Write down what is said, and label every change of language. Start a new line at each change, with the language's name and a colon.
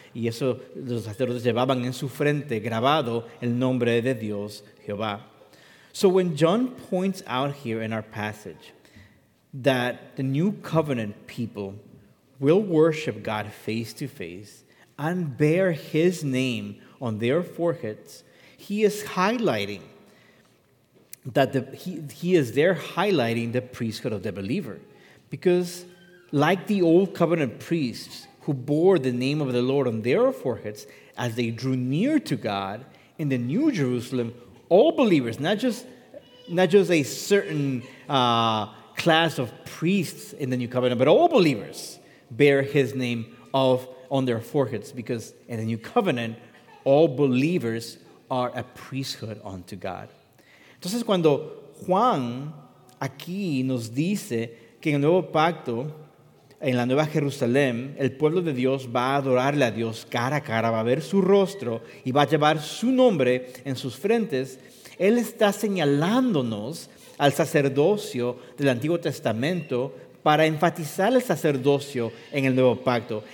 Spanish: Y eso los sacerdotes llevaban en su frente grabado el nombre de Dios, Jehová.
English: So when John points out here in our passage that the new covenant people will worship God face to face and bear his name on their foreheads, he is highlighting that he is highlighting the priesthood of the believer. Because like the old covenant priests who bore the name of the Lord on their foreheads as they drew near to God in the New Jerusalem, all believers, not just a certain class of priests in the New Covenant, but all believers bear his name on their foreheads, because in the New Covenant, all believers are a priesthood unto God.
Spanish: Entonces, cuando Juan aquí nos dice que en el Nuevo Pacto, en la Nueva Jerusalén, el pueblo de Dios va a adorarle a Dios cara a cara, va a ver su rostro y va a llevar su nombre en sus frentes. Él está señalándonos al sacerdocio del Antiguo Testamento para enfatizar el sacerdocio en el Nuevo Pacto.